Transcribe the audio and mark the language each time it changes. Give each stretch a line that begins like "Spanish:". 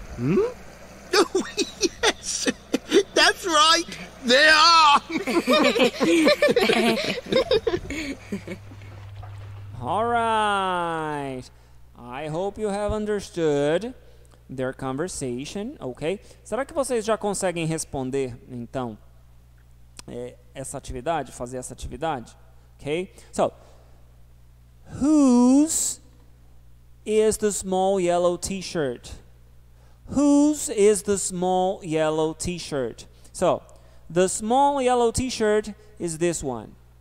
English: Oh, yes. That's right. They are. All right. I hope you have understood their conversation, ok?
Portuguese: Será que vocês já conseguem responder, então, essa atividade, fazer essa atividade?
English: Ok? So, whose is the small yellow t-shirt? Whose is the small yellow t-shirt? So, the small yellow t-shirt is this one.